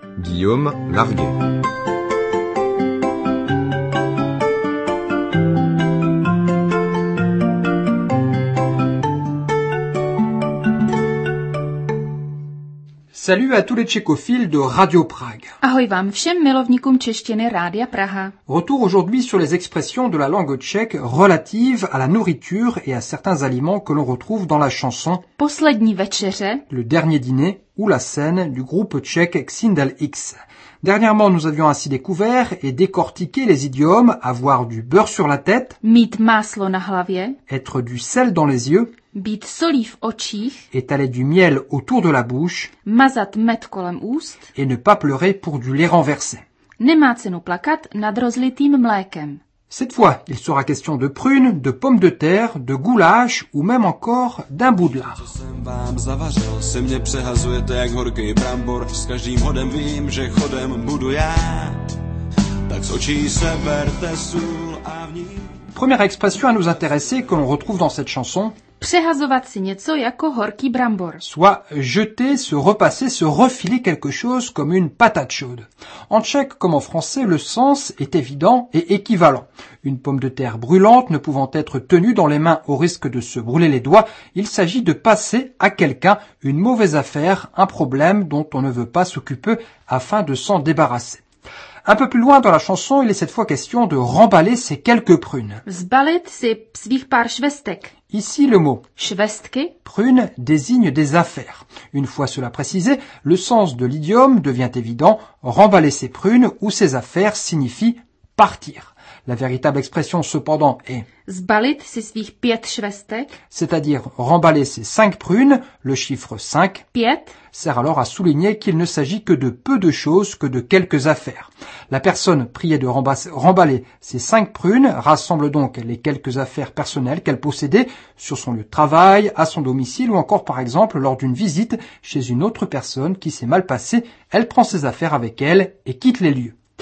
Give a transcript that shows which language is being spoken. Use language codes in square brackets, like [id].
[fr] Guillaume Narguet. Salut à tous les tchécophiles de Radio Prague. [cs] Ahoj vám všem milovníkům češtiny Rádia Praha. [fr] Retour aujourd'hui sur les expressions de la langue tchèque relatives à la nourriture et à certains aliments que l'on retrouve dans la chanson [cs] Poslední večeře, [fr] le dernier dîner, ou la scène du groupe tchèque Xindel X. Dernièrement, nous avions ainsi découvert et décortiqué les idiomes avoir du beurre sur la tête, [cs] mít máslo na hlavě, [fr] être du sel dans les yeux, [cs] být solí v očích, [fr] étaler du miel autour de la bouche, [cs] mazat med kolem úst, [fr] et ne pas pleurer pour du lait renversé. [cs] Nemá cenu plakat nad rozlitým mlékem. [fr] Cette fois, il sera question de prunes, de pommes de terre, de goulash ou même encore d'un bout de lard. [cs] Jsem vám zavařil, se mě přehazujete jak horký brambor, s každým hodem vím, že chodem budu já. Tak z očí se berte sůl a v ní... [fr] Première expression à nous intéresser que l'on retrouve dans cette chanson. [cs] Přehazovat si něco jako horký brambor. [fr] Soit jeter, se repasser, se refiler quelque chose comme une patate chaude. En tchèque comme en français, le sens est évident et équivalent. Une pomme de terre brûlante ne pouvant être tenue dans les mains au risque de se brûler les doigts, il s'agit de passer à quelqu'un une mauvaise affaire, un problème dont on ne veut pas s'occuper afin de s'en débarrasser. Un peu plus loin dans la chanson, il est cette fois question de remballer ses quelques prunes. [cs] Zbalit si svých pár švestek. [fr] Ici, le mot [cs] švestky, [fr] prune, désigne des affaires. Une fois cela précisé, le sens de l'idiome devient évident. Remballer ses prunes ou ses affaires signifie partir. La véritable expression, cependant, est [cs] zbalit si svých pět švestek, [fr] c'est-à-dire remballer ses cinq prunes, le chiffre 5, [cs] pět, [fr] sert alors à souligner qu'il ne s'agit que de peu de choses, que de quelques affaires. La personne priée de remballer ses cinq prunes rassemble donc les quelques affaires personnelles qu'elle possédait sur son lieu de travail, à son domicile ou encore par exemple lors d'une visite chez une autre personne qui s'est mal passée, elle prend ses affaires avec elle et quitte les lieux.